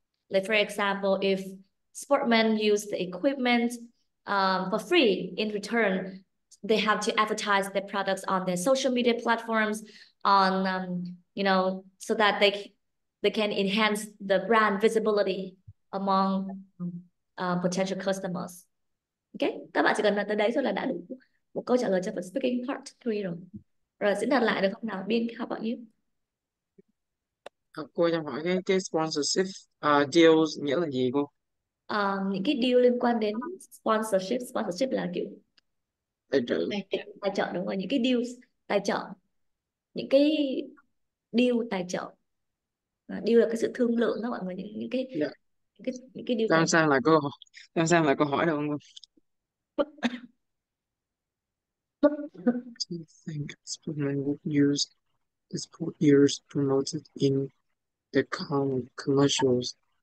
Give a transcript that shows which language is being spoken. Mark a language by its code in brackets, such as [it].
[en] Like, for example, if sportmen use the equipment for free in return, they have to advertise their products on their social media platforms on, you know, so that they can enhance the brand visibility among potential customers. [vi] Okay, các bạn chỉ cần là tới đấy thôi là đã đủ một câu trả lời cho phần speaking part 3 rồi. Rồi sẽ đặt lại được không nào? Bên học bọn em. Cô đang hỏi cái sponsorship deals nghĩa là gì cô? Những cái deal liên quan đến sponsorship. Sponsorship là kiểu tài trợ đúng rồi, những cái deals tài trợ, những cái deal tài trợ, deal là cái sự thương lượng đó mọi người, những cái deal. Đang sang lại câu, đang sang lại câu hỏi đâu không? [en] Do you think Spiderman would use the sport ears promoted in the commercials?